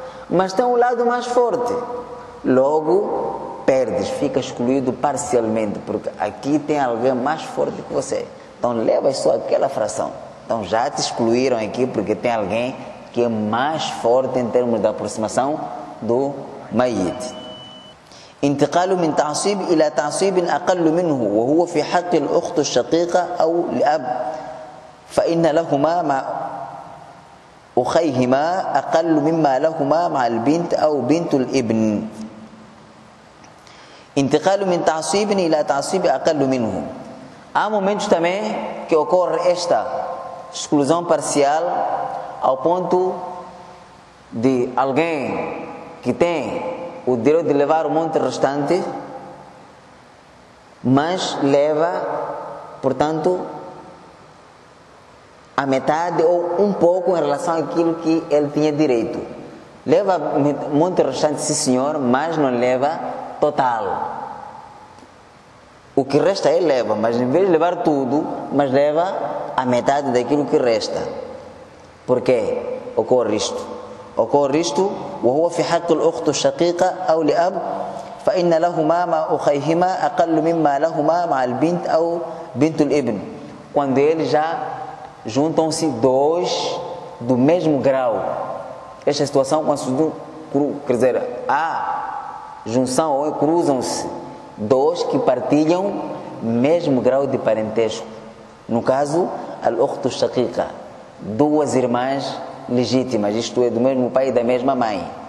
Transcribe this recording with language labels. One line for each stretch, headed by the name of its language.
Portuguese: Mas tem um lado mais forte. Logo, perdes, fica excluído parcialmente, porque aqui tem alguém mais forte que você. Então, leva só aquela fração. Então, já te excluíram aqui, porque tem alguém que é mais forte em termos de aproximação do mayit.
Arabic: انتقال من تعصيب الى تعصيب اقل منه وهو في حق الاخت الشقيقه او الاب فان لهما مع اخيهما اقل مما لهما مع البنت او بنت الابن. انتقال من تعصيب الى تعصيب اقل منه.
Portuguese: Há momentos também que ocorre esta exclusão parcial ao ponto de alguém que tem o direito de levar o monte restante, mas leva, portanto, a metade ou um pouco em relação àquilo que ele tinha direito. Leva o monte restante, sim senhor, mas não leva total. O que resta ele leva, mas em vez de levar tudo, mas leva a metade daquilo que resta. Por quê? Ocorre isto. Ocorre isto,
Arabic: وهو في حق الأخت الشقيقة أو لأب فإن لهما مع أخيهما أقل مما لهما مع البنت أو بنت الابن.
Portuguese: Quando eles já juntam-se dois do mesmo grau. Esta situação, quando quer dizer, há junção ou cruzam-se dois que partilham mesmo grau de parentesco. No caso, الأخت الشقيقة, duas irmãs legítimas, isto é, do mesmo pai e da mesma mãe.